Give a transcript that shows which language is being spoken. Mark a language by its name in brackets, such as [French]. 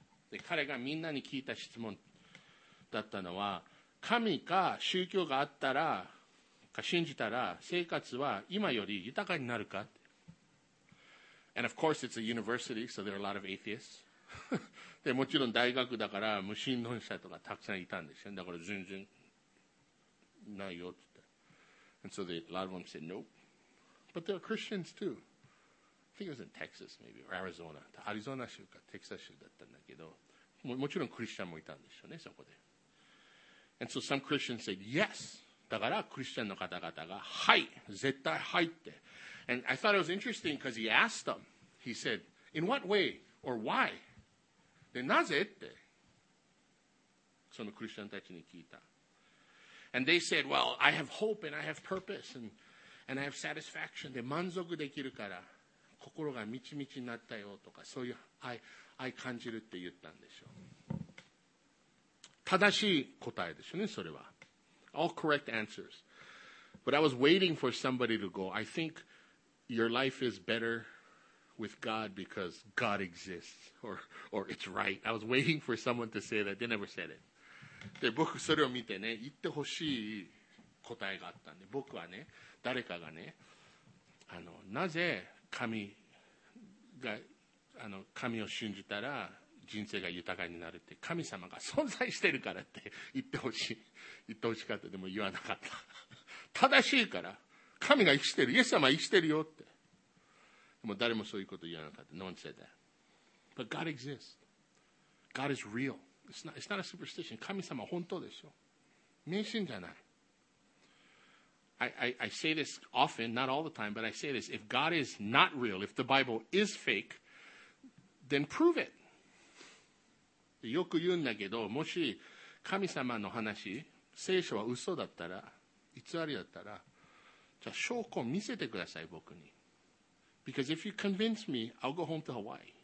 [Japanese] で彼がみんなに聞いた質問だったのは神か宗教があったらか信じたら生活は今より豊かになるか [English] And of course it's a university so there are a lot of atheists [Japanese] でもちろん大学だから無神論者とかたくさんいたんですよ。だから全然ないよって言った。 [English] And so they, a lot of them said nope. But there are Christians too. I think it was in Texas maybe, or Arizona. [Japanese] アリゾナ州かテキサス州だったんだけど、もちろんクリスチャンもいたんでしょうね、そこで。 [English] And so some Christians said yes. [Japanese] だからクリスチャンの方々がはい、絶対はいって。 [English] And I thought it was interesting because he asked them. He said, in what way or why? [Japanese] で、なぜって、そのクリスチャンたちに聞いた。 [English] And they said, well, I have hope and I have purpose and I have satisfaction. [Japanese] で、満足できるから、心が満ち満ちになったよとか、そういう愛感じるって言ったんでしょう。正しい答えでしょうね、それは。 [English] All correct answers. But I was waiting for somebody to go, I think your life is better. With God because God exists or it's right. I was waiting for someone to say that. They never said it. [Japanese] で、僕それを見てね、言ってほしい答えがあったんで、僕はね、誰かがね、あの、なぜ神が、あの、神を信じたら人生が豊かになるって、神様が存在してるからって言ってほしい。言ってほしかった。でも言わなかった。正しいから、神が生きてる。イエス様は生きてるよって。もう誰もそういうこと言わなかった。 [English] No one said that. But God exists. God is real. It's not a superstition. [Japanese] 神様は本当でしょ。迷信じゃない。 [English] I say this often, not all the time, but I say this. If God is not real, if the Bible is fake, then prove it. [Japanese] よく言うんだけど、もし神様の話、聖書は嘘だったら、偽りだったら、じゃあ証拠を見せてください、僕に。 [English] Because if you convince me, I'll go home to Hawaii.